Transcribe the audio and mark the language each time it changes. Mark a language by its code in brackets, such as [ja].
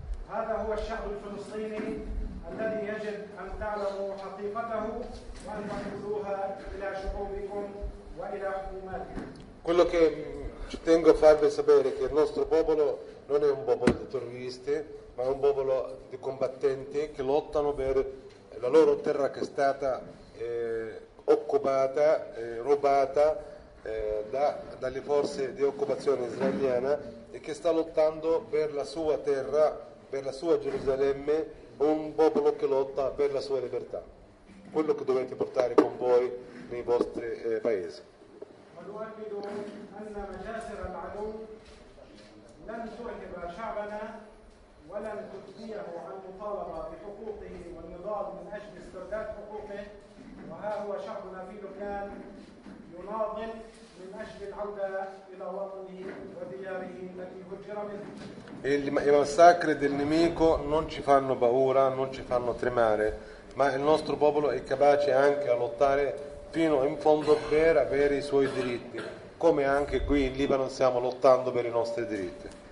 [ar] هذا هو الشعب الفلسطيني الذي يجب أن تعلموا حقيقته وأن تنقلوها إلى شعوبكم وإلى حكوماتكم. [it] Ci tengo a farvi sapere che il nostro popolo non è un popolo di terroristi, ma è un popolo di combattenti che lottano per la loro terra che è stata occupata, rubata dalle forze di occupazione israeliana, e che sta lottando per la sua terra, per la sua Gerusalemme, un popolo che lotta per la sua libertà. Quello che dovete portare con voi nei vostri paesi. [ar] ونؤكد أن مجاسر العدو لن تعتب شعبنا ولن تؤذيه عن مطالبة بحقوقه والنضال من أجل استرداد حقوقه، وها هو شعبنا في لبنان يناضل من أجل العودة إلى وطنه ودياره التي هجر منه. [it] I massacri del nemico non ci fanno paura, non ci fanno tremare, ma il nostro popolo è capace anche a lottare fino in fondo per avere i suoi diritti, come anche qui in Libano stiamo lottando per i nostri diritti.